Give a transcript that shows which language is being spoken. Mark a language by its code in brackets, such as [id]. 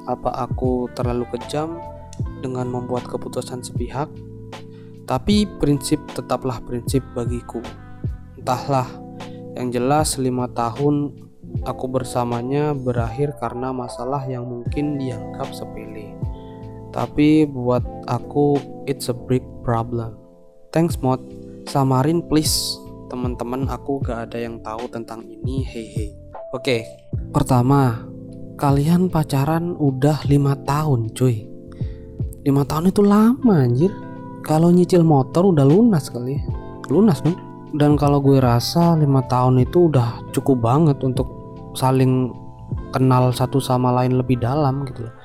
[id] Apa aku terlalu kejam dengan membuat keputusan sepihak? Tapi prinsip tetaplah prinsip bagiku. Entahlah, yang jelas 5 tahun aku bersamanya berakhir karena masalah yang mungkin dianggap sepele. Tapi buat aku, [en] it's a big problem. Thanks mod, [id] samarin [en] please. [id] Teman-teman aku gak ada yang tahu tentang ini, hehe. Oke, pertama, kalian pacaran udah 5 tahun cuy. 5 tahun itu lama anjir. Kalau nyicil motor udah lunas kali ya. Lunas kan? Dan kalau gue rasa 5 tahun itu udah cukup banget untuk saling kenal satu sama lain lebih dalam gitu.